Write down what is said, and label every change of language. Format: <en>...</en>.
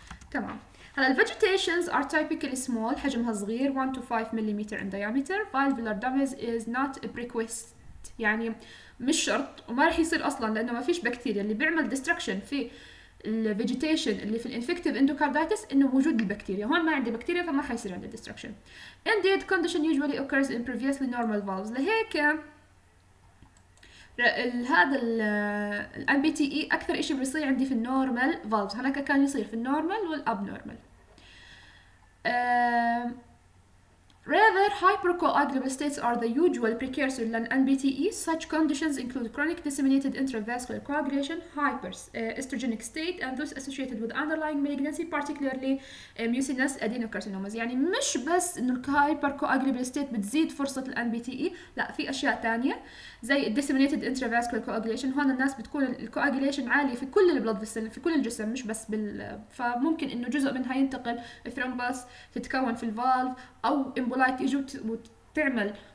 <ar>تمام، هلا الفيجيتيشنز ار تايبيكلي سمول، حجمها صغير 1 تو 5 ملم ان دايامتر. فالفولار دامج از نوت ا بريكويست، يعني مش شرط وما رح يصير اصلا لانه ما فيش بكتيريا. اللي بيعمل ديستركشن في الفيجيتيشن اللي في الانفكتيف اندوكارديتس انه وجود البكتيريا، هون ما عندي بكتيريا فما حيصير عندي ديستركشن.</ar> <en>Indeed condition usually occurs in previously normal valves.</en> <ar>لهيك هذا ال MBTE اكثر اشي بيصير عندي في النورمال فالفز، هناك كان يصير في النورمال والابنورمال.</ar> <en>Rather, hypercoagulable states are the usual precursor than NBTE. Such conditions include chronic disseminated intravascular coagulation, hyperestrogenic state, and those associated with underlying malignancy, particularly mucinous adenocarcinomas.</en> <ar>يعني مش بس إنه hypercoagulable state بتزيد فرصة NBTE، لا في أشياء تانية زي disseminated intravascular coagulation. هون الناس بتكون coagulation عالي في كل blood vessels، في كل الجسم مش بس بال، فممكن إنه جزء منها ينتقل thrombus تتكون في الفالف، أو embolite يجوا وتعمل</ar>